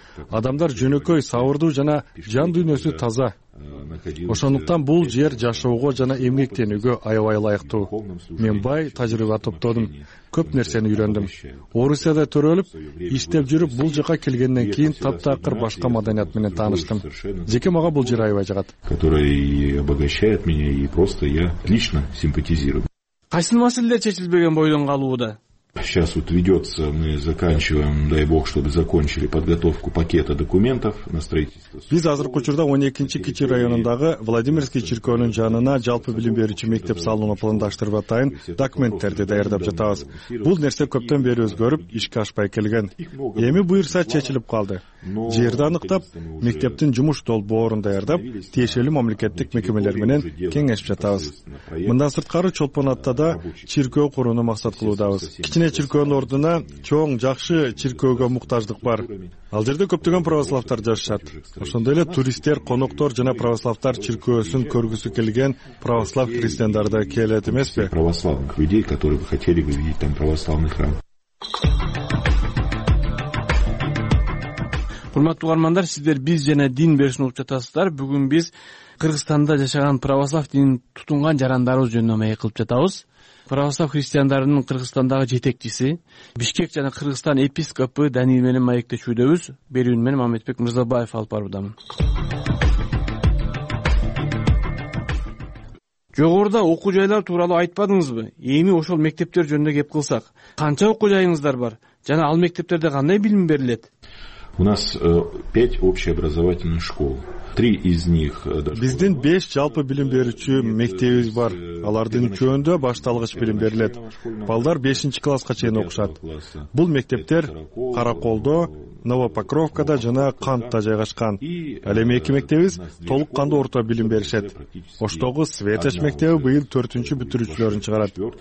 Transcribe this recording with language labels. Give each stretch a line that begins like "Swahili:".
Kyrgyz: Адамдар жөнөкөй, сабырдуу жана жан дүйнөсү таза. Ошондуктан бул жер жашоого жана эмгектенүүгө аябай ылайыктуу. Мен бай тажрыйба топтодум, көп нерсени үйрөндүм. Орусияда төрөлүп, иштеп жүрүп, бул жака келгенден кийин таптакыр башка маданият менен тааныштым. Жеке мага бул жер аябай жагат,
Russian: который обогащает меня и просто я лично симпатизирую.
Kyrgyz: Кайсыл маселелер чечилбеген бойдон калууда?
Russian: Сейчас вот ведется, мы заканчиваем, дай бог, чтобы закончили подготовку пакета документов на строительство.
Kyrgyz: Биз азыркы учурда 12-чи кичи районундагы Владимирский чиркөөнүн жанына жалпы билим берүүчү мектеп салууну пландаштырып атайын документтерди даярдап жатабыз. Бул нерсе көптөн бери өзгөрүп, ишке ашпай келген. Эми буйурса чечилип калды. Жерди аныктап, мектептин жумуш долбоорун даярдап, тиешелүү мамлекеттик мекемелер менен кеңешип жатабыз. Мындан сырткары Чолпон Атада чиркөө курууну максат кылуудабыз. Кичине чиркөөнүн ордуна чоң жакшы чиркөөгө муктаждык бар. Ал жерде көптөгөн православтар жашашат. Ошондой эле туристтер, коноктор жана православтар чиркөөсүн көргүсү келген православ христиандар да келет эмеспи?
Russian: Православных людей, которые бы хотели бы видеть там православный храм.
Kyrgyz: Урматтуу угармандар, сиздер биз жана дин беришин угуп жатасыздар. Бүгүн биз Кыргызстанда жашаган православ динин тутунган жарандарыбыз жөнүндө маек кылып жатабыз. Православ христиандарынын Кыргызстандагы жетекчиси, Бишкек жана Кыргызстан епископу Даниил менен маектешүүдөбүз. Берүүнү менен Мамытбек Мырзабаев алып барууда. Жогоруда окуу жайлар тууралуу айтпадыңызбы? Эми ошол мектептер жөнүндө кеп кылсак, канча окуу жайыңыздар бар жана ал мектептерде кандай билим берилет?
Russian: У нас 5 общеобразовательных школ. 3 из них
Kyrgyz: биздин 5 жалпы билим берүүчү мектебибиз бар. Алардын үчөөндө башталгыч билим берилет. Балдар 5-чи класска чейин окушат. Бул мектептер Караколдо, Новопокровкада жана Кантта жайгашкан. Ал эми эки мектебибиз толук кандуу орто билим беришет. Оштогу Светоч мектеби быйыл 4-чү бүтүрүүчүлөрүн чыгарат.